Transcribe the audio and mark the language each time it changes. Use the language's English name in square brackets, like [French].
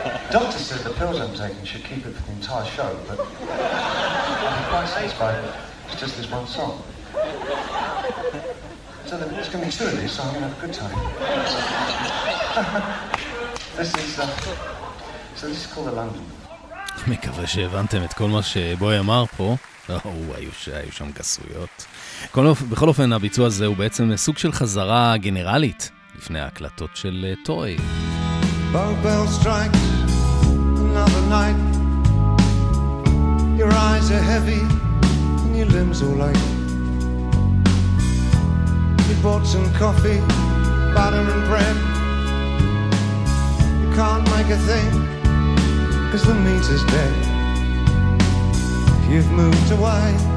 [English] Doctor said the pills I'm taking should keep it for the entire show, but I'm quite satisfied. It's just this one song. So there's going to be two of these, so I'm going to have a good time. this is called The London. [Hebrew] מקווה שהבנתם את כל מה שבוי אמר פה. היו שם גסויות. בכל אופן, הביצוע הזה הוא בעצם סוג של חזרה גנרלית לפני ההקלטות של טוי. [English] Bell strikes another night. Your eyes are heavy and your limbs are light. You bought some coffee, butter and bread. You can't make a thing because the meat is dead. You've moved away.